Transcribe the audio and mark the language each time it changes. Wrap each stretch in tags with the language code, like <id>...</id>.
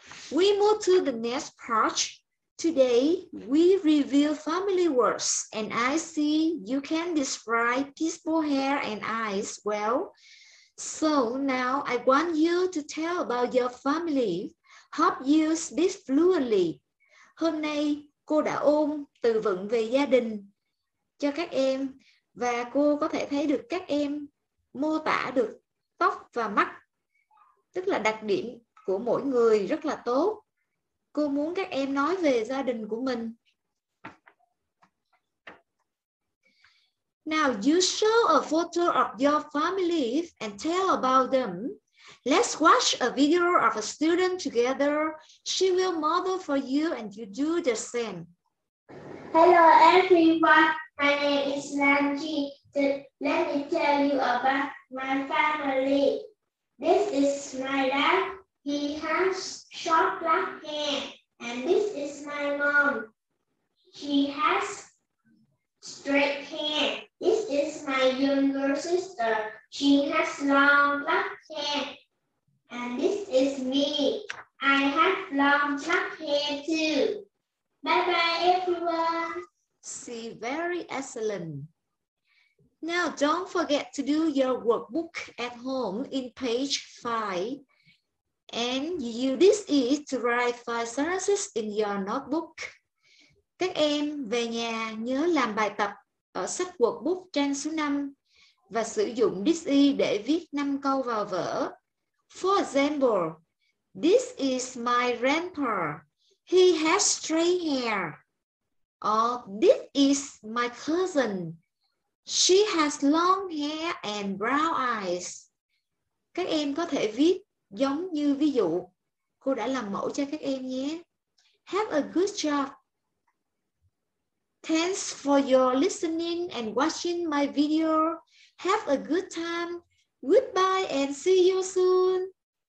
<en>We move to the next part. Today, we review family words, and I see you can describe peaceful hair and eyes well. So now I want you to tell about your family. Hope you speak fluently.</en> <vi>Hôm nay, cô đã ôm từ vựng về gia đình cho các em, và cô có thể thấy được các em mô tả được tóc và mắt, tức là đặc điểm của mỗi người rất là tốt. Cô muốn các em nói về gia đình của mình.</vi> <en>Now you show a photo of your family and tell about them. Let's watch a video of a student together. She will model for you and you do the same. Hello everyone, my name is Lanji. Let me tell you about my family. This is my dad. He has short black hair. And this is my mom. She has straight hair. This is my younger sister. She has long black hair. And this is me. I have long black hair too. Bye-bye everyone. See, very excellent. Now, don't forget to do your workbook at home in page 5. And you this is to write 5 sentences in your notebook.</en> <vi>Các em về nhà nhớ làm bài tập ở sách workbook trang số 5 và sử dụng this is để viết 5 câu vào vở.</vi> <en>For example, this is my grandpa. He has straight hair. Or this is my cousin. She has long hair and brown eyes.</en> <vi>Các em có thể viết giống như ví dụ cô đã làm mẫu cho các em nhé.</vi> <en>Have a good job. Thanks for your listening and watching my video. Have a good time. Goodbye and see you soon.</en>